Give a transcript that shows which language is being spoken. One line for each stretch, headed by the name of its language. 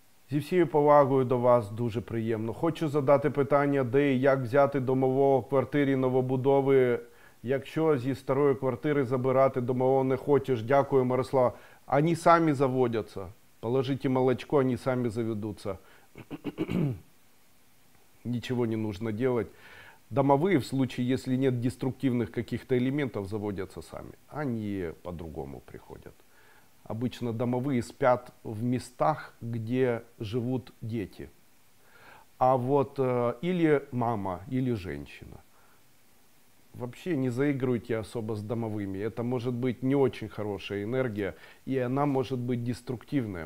Ukrainian: Зі всією повагою до вас дуже приємно. Хочу задати питання, де і як взяти домового в квартирі новобудови. Якщо зі старої квартири забирати домового не хочеш, дякую, Мирослава. Вони самі заводяться.
Russian: Положите молочко,
Ukrainian: вони самі заведуться.
Russian: Нічого не нужно делать. Домовые, в случае, если нет деструктивных каких-то элементов,
Ukrainian: заводяться самі. Вони по-другому приходять.
Russian: Обычно домовые спят в местах, где живут дети. А вот или мама, или женщина. Вообще не заигрывайте особо с домовыми. Это может быть не очень хорошая энергия. И она может быть деструктивная.